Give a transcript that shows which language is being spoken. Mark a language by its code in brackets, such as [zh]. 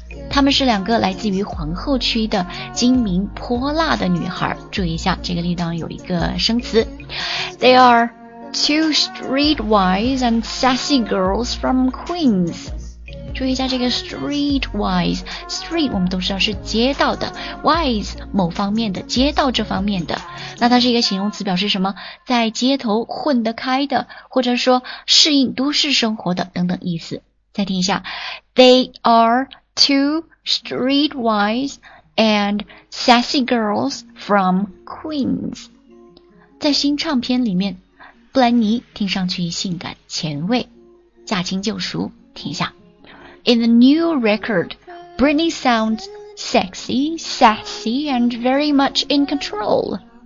[zh] 他们是两个来自于皇后区的精明泼辣的女孩。注意一下，这个地方有一个生词。 [en] They are two streetwise and sassy girls from Queens. [zh] 注意一下这个 streetwise. Street 我们都知道是街道的。 Wise 某方面的，街道这方面的。那它是一个形容词，表示什么？在街头混得开的，或者说适应都市生活的等等意思。再听一下。 [en] They are... Two streetwise and sassy girls from Queens. [zh] 在新唱片里面，布兰妮听上去性感前卫，驾轻就熟。听一下。 [en] In the new record, Britney sounds sexy, sassy, and very much in control.